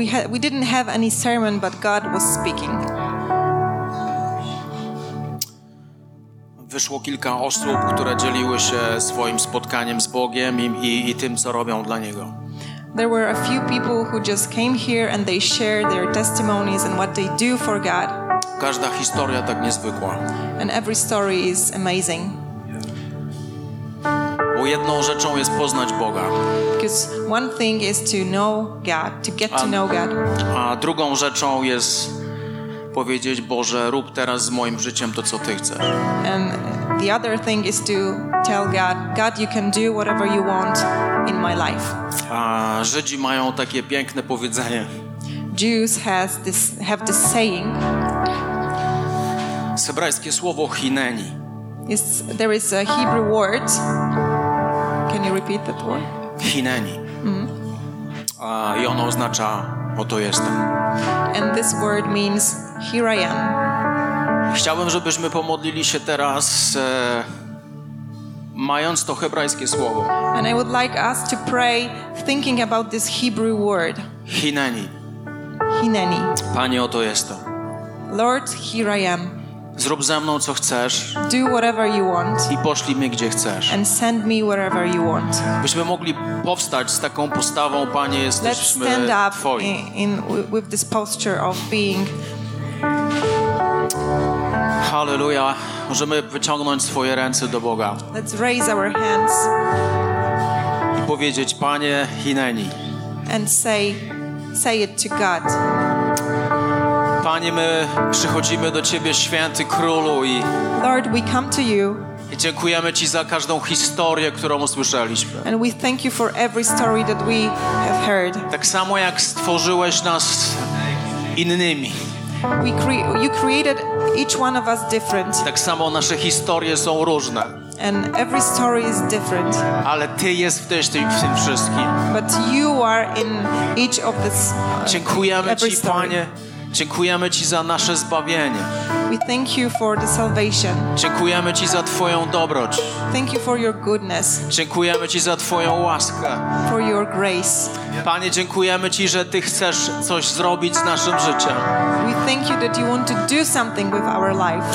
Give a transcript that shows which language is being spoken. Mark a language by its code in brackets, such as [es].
[en] We didn't have any sermon, but God was speaking. [pl] Wyszło kilka osób, które dzieliły się swoim spotkaniem z Bogiem i tym, co robią dla Niego. [en] There were a few people who just came here and they shared their testimonies and what they do for God. [pl] Każda historia tak niezwykła. [en] And every story is amazing. [pl] Bo jedną rzeczą jest poznać Boga. [en] Because one thing is to know God, to get to know God. [pl] A drugą rzeczą jest powiedzieć: Boże, rób teraz z moim życiem to, co Ty chcesz. [en] And the other thing is to tell God, God, you can do whatever you want in my life. [pl] A Żydzi mają takie piękne powiedzenie. [en] Jews have this saying. [pl] Hebrajskie słowo hineni. [en] There is a Hebrew word. Can you repeat that word? [he] Hineni. Mm-hmm. [pl] I ono oznacza: oto jestem. [en] And this word means here I am. [pl] Chciałbym, żebyśmy pomodlili się teraz, mając to hebrajskie słowo. [en] And I would like us to pray thinking about this Hebrew word. [he] Hineni. Hineni. [pl] Panie, oto jestem. [en] Lord, here I am. [pl] Zrób ze mną, co chcesz. [en] Do whatever you want. [pl] I poszlij mnie, gdzie chcesz. [en] And send me wherever you want. [pl] Byśmy mogli powstać z taką postawą: Panie, jesteśmy Twoi. [en] Let's stand up with this posture of being. [pl] Halleluja. Możemy wyciągnąć swoje ręce do Boga. [en] Let's raise our hands. [pl] I powiedzieć: Panie, hineni. [en] And say it to God. [pl] Panie, my przychodzimy do Ciebie, Święty Królu, i [en] Lord, we come to you. [pl] I dziękujemy Ci za każdą historię, którą usłyszeliśmy. [en] And we thank you for every story that we have heard. [pl] Tak samo jak stworzyłeś nas innymi. [en] You created each one of us different. [pl] Tak samo nasze historie są różne. [en] And every story is different. [pl] Ale Ty jesteś w tym wszystkim. [en] But you are in each of this. [pl] Dziękujemy Ci, Panie. Dziękujemy Ci za nasze zbawienie. [en] We thank you for the salvation. [pl] Dziękujemy Ci za Twoją dobroć. [en] Thank you for your goodness. [pl] Dziękujemy Ci za Twoją łaskę. [en] For your grace. [pl] Panie, dziękujemy Ci, że Ty chcesz coś zrobić z naszym życiem. [en] We thank you that you want to do something with our life.